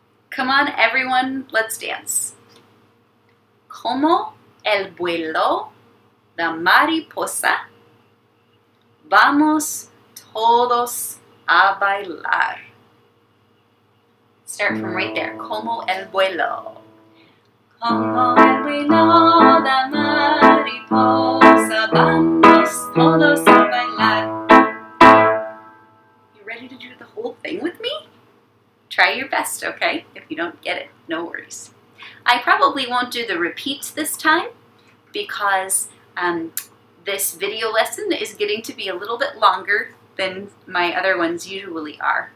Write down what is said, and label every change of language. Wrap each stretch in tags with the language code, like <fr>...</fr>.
<en>Come on, everyone, let's dance.</en> <es>Como el vuelo the mariposa, vamos todos a bailar.</es> <en>Start from right there.</en> <es>Como el vuelo. Como el vuelo de mariposa, vamos todos a bailar.</es> <en>You ready to do the whole thing with me? Try your best, okay? If you don't get it, no worries. I probably won't do the repeats this time because this video lesson is getting to be a little bit longer than my other ones usually are.</en>